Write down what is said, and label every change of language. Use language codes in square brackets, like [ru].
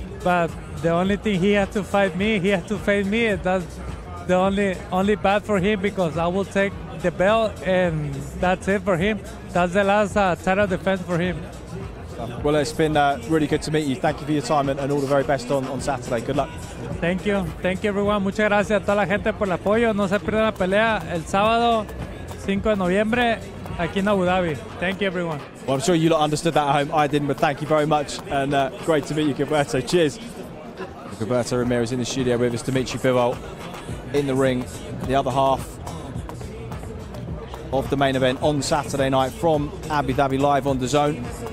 [en] But the only thing he has to fight me. That's the only bad for him, because I will take the belt and that's it for him. That's the last title defense for him. Well, it's been really good to meet you. Thank you for your time and all the very best on Saturday. Good luck. Thank you. Thank you, everyone. [es] Muchas gracias a toda la gente por el apoyo. No se pierda la pelea el sábado 5 de noviembre aquí en Abu Dhabi. [en] Thank you, everyone. Well, I'm sure you lot understood that at home. I didn't, but thank you very much. And great to meet you, Gilberto. Cheers. Gilberto Ramirez in the studio with us. Dmitry Bivol in the ring, the other half of the main event on Saturday night from Abu Dhabi, live on DAZN.